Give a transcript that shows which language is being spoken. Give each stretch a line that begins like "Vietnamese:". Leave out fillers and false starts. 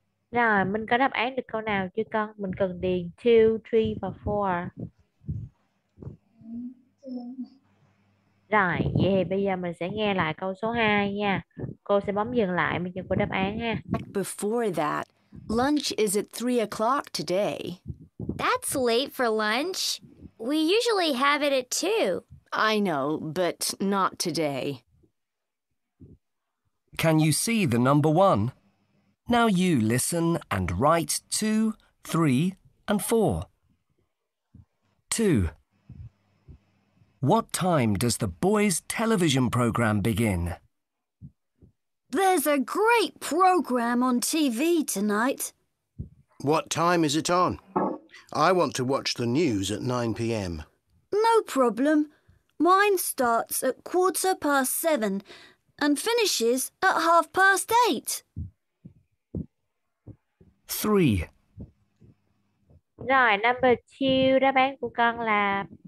Vietnamese: Rồi, mình có đáp án được câu nào chưa con? Mình cần điền 2, 3 và 4. Rồi, vậy thì bây giờ mình sẽ nghe lại câu số 2 nha. Cô sẽ bấm dừng lại, mình cho cô đáp án ha.
English: Before that, lunch is at 3 o'clock today. That's late for lunch. We usually have it at 2. I know, but not today. Can you see the number 1? Now you listen and write 2, 3 and 4. 2. What time does the boys' television program begin? There's a great program on TV tonight. What time is it on? I want to watch the news at 9 p.m. No problem. Mine starts at 7:15 and finishes at 8:30. 3.
Vietnamese: Rồi, number 2, đáp án của con là...